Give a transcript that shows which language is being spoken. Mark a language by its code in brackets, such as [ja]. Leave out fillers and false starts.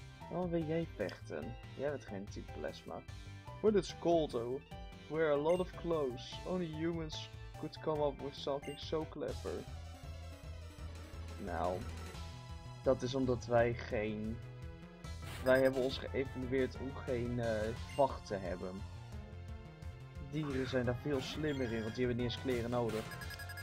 [nl] Waarom wil jij vechten? Jij hebt geen type plasma. [en] When it's cold though, wear a lot of clothes. Only humans could come up with something so clever. [nl] Nou, dat is omdat wij geen... Wij hebben ons geëvalueerd om geen vacht te hebben. Dieren zijn daar veel slimmer in, want die hebben niet eens kleren nodig.